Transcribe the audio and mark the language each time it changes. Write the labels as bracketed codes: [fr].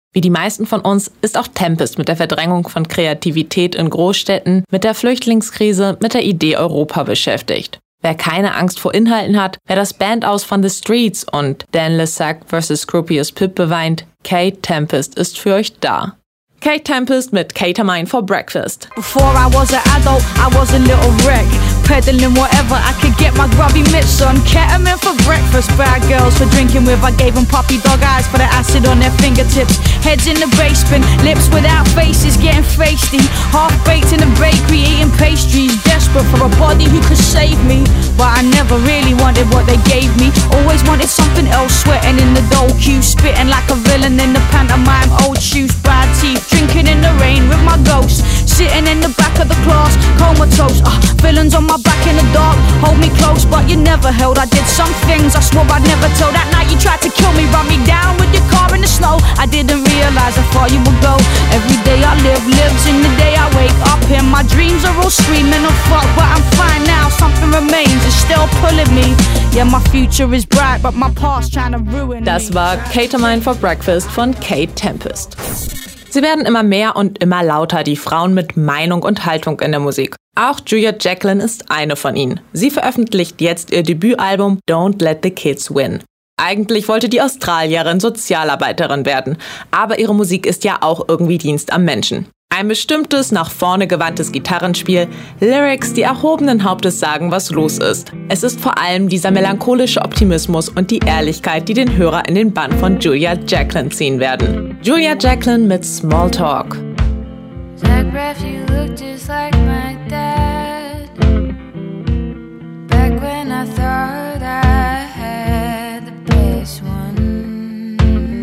[de] Wie die meisten von uns ist auch Tempest mit der Verdrängung von Kreativität in Großstädten, mit der Flüchtlingskrise, mit der Idee Europa beschäftigt. Wer keine Angst vor Inhalten hat, wer das Bandaus von The Streets und Dan Lissack vs. Scroopius Pip beweint, Kate Tempest ist für euch da. Kate Tempest mit Catermine for Breakfast. [en] Before I was an adult, I was a little wreck. Peddling whatever I could get my grubby mitts on. Ketamine for breakfast, bad girls for drinking with. I gave them puppy dog eyes for the acid on their fingertips. Heads in the basement, lips without faces, getting feisty. Half-baked in the bakery, eating pastries. Desperate for a body who could save me. But I never really wanted what they gave me. Always wanted something else, sweating in the dole queue. Spitting like a villain in the pantomime. Old shoes, bad teeth, drinking in the rain with my ghost. Sitting in the back of the class, comatose. Villains on my back in the dark, hold me close. But you never held, I did some things I swore I'd never tell. That night you tried to kill me, run me down with your car in the snow. I didn't realize how far you would go. Every day I live, lives in the day I wake up. And my dreams are all screaming of fuck. But I'm fine now, something remains, it's still pulling me. Yeah, my future is bright, but my past trying to ruin me. [de] Das war Catermine for Breakfast von Kate Tempest. Sie werden immer mehr und immer lauter, die Frauen mit Meinung und Haltung in der Musik. Auch Julia Jacklin ist eine von ihnen. Sie veröffentlicht jetzt ihr Debütalbum Don't Let the Kids Win. Eigentlich wollte die Australierin Sozialarbeiterin werden, aber ihre Musik ist ja auch irgendwie Dienst am Menschen. Ein bestimmtes, nach vorne gewandtes Gitarrenspiel, Lyrics, die erhobenen Hauptes sagen, was los ist. Es ist vor allem dieser melancholische Optimismus und die Ehrlichkeit, die den Hörer in den Bann von Julia Jacklin ziehen werden. Julia Jacklin mit Smalltalk. [en] Zach Braff, you look just like my dad. Back when I thought I had the best one.